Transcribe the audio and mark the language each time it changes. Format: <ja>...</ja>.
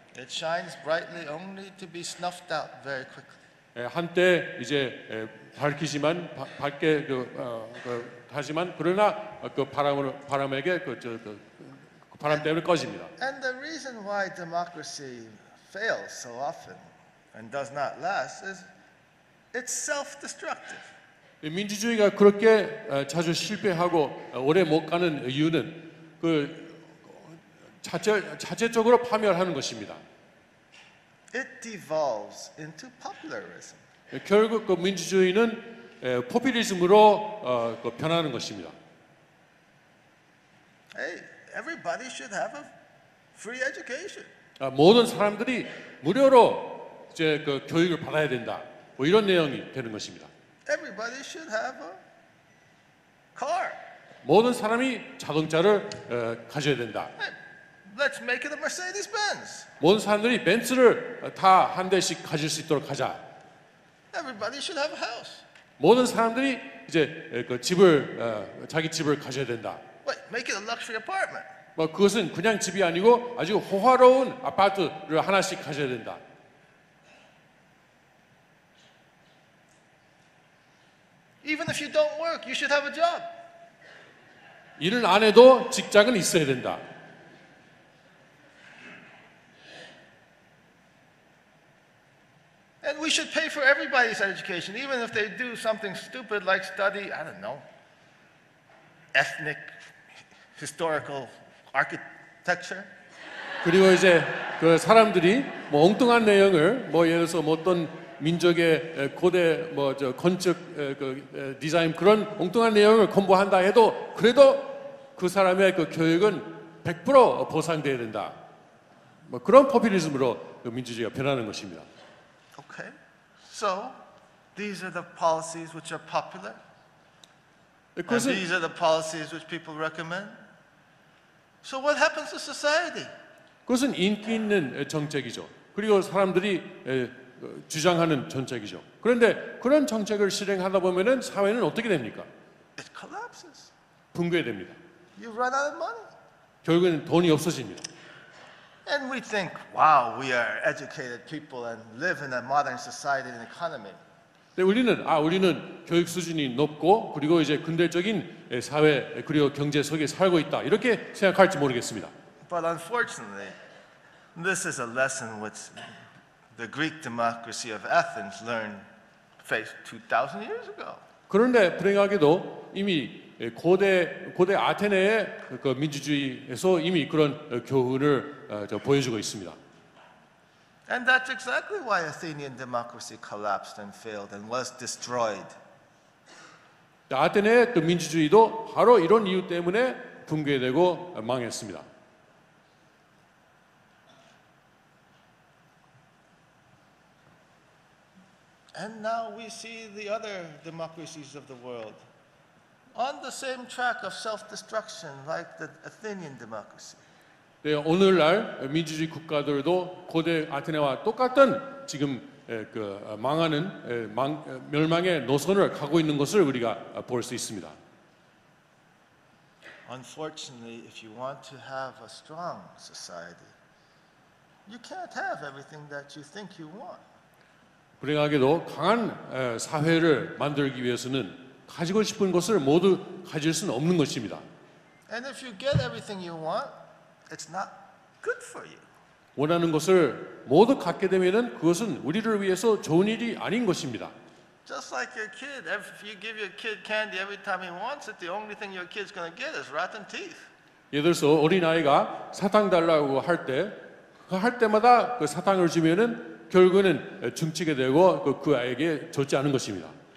<en>It shines brightly only to be snuffed out very quickly.</en> <ko>한때 이제 밝히지만 밝게 하지만 그러나 그 바람에게 바람 때문에 꺼집니다.</ko> <en>And the reason why democracy fails so often and does not last is it's self-destructive.</en> <ko>민주주의가 그렇게 자주 실패하고 오래 못 가는 이유는 그 자체적으로 파멸하는 것입니다.</ko> <en>It devolves into popularism.</en> <ko>결국 그 민주주의는 포퓰리즘으로 변하는 것입니다.</ko> <en>Hey, everybody should have a free education.</en> <ko>모든 사람들이 무료로 이제 그 교육을 받아야 된다. 뭐 이런 내용이 되는 것입니다.</ko> <en>Everybody should have a car.</en> <ko>모든 사람이 자동차를 가져야 된다.</ko> <en>Let's make it a Mercedes-Benz.</en> <ko>모든 사람들이 벤츠를 다 한 대씩 가질 수 있도록 하자.</ko> <en>Everybody should have a house.</en> <ko>모든 사람들이 이제 그 집을 자기 집을 가져야 된다.</ko> <en>Wait, make it a luxury apartment.</en> <ko>뭐 그것은 그냥 집이 아니고 아주 호화로운 아파트를 하나씩 가져야 된다.</ko> <en>Even if you don't work, you should have a job.</en> <ko>일을 안 해도 직장은 있어야 된다.</ko> <en>And we should pay for everybody's education, even if they do something stupid like study, I don't know, ethnic, historical, architecture.</en> <ko>그리고 이제 그 사람들이 뭐 엉뚱한 내용을 뭐 예를 들어서 뭐 어떤 민족의 고대 뭐 저 건축 그 디자인 그런 엉뚱한 내용을 공부한다 해도 그래도 그 사람의 그 교육은 100% 보상돼야 된다. 뭐 그런 포퓰리즘으로 그 민주주의가 변하는 것입니다.</ko> <en>Okay. So these are the policies which are popular. And these are the policies which people recommend. So what happens to society?</en> <ko>그것은 인기 있는 정책이죠. 그리고 사람들이 주장하는 정책이죠. 그런데 그런 정책을 실행하다 보면은 사회는 어떻게 됩니까?</ko> <en>It collapses.</en> <ko>붕괴됩니다.</ko> <en>You run out of money.</en> <ko>결국에는 돈이 없어집니다.</ko> <en>And we think, wow, we are educated people and live in a modern society and economy.</en> <ko>네, 우리는 아 우리는 교육 수준이 높고 그리고 이제 근대적인 사회 그리고 경제 속에 살고 있다 이렇게 생각할지 모르겠습니다.</ko> <en>But unfortunately, this is a lesson which the Greek democracy of Athens learned faced 2,000 years ago.</en> <ko>그런데 불행하게도 이미 고대 아테네의 그 민주주의에서 이미 그런 교훈을 보여주고 있습니다.</ko> <en>And that's exactly why Athenian democracy collapsed and failed and was destroyed.</en> <ko>아테네의 또 민주주의도 바로 이런 이유 때문에 붕괴되고 망했습니다.</ko> <en>And now we see the other democracies of the world on the same track of self-destruction like the Athenian democracy.</en> <ko>네, 오늘날 민주주의 국가들도 고대 아테네와 똑같은 지금 그 망하는 멸망의 노선을 가고 있는 것을 우리가 볼 수 있습니다.</ko> <en>Unfortunately, if you want to have a strong society, you can't have everything that you think you want.</en> <ko>불행하게도 강한 사회를 만들기 위해서는 가지고 싶은 것을 모두 가질 수는 없는 것입니다.</ko> <en>And if you get everything you want, it's not good for you.</en> <ko>원하는 것을 모두 갖게 되면은 그것은 우리를 위해서 좋은 일이 아닌 것입니다.</ko> <en>Just like your kid, if you give your kid candy every time he wants it, the only thing your kid's going to get is rotten teeth.</en> <ko>예를 들어서 어린 아이가 사탕 달라고 할 때, 할 때마다 그 사탕을 주면은 결국에는 중치게 되고 그 아이에게 좋지 않은 것입니다.</ko>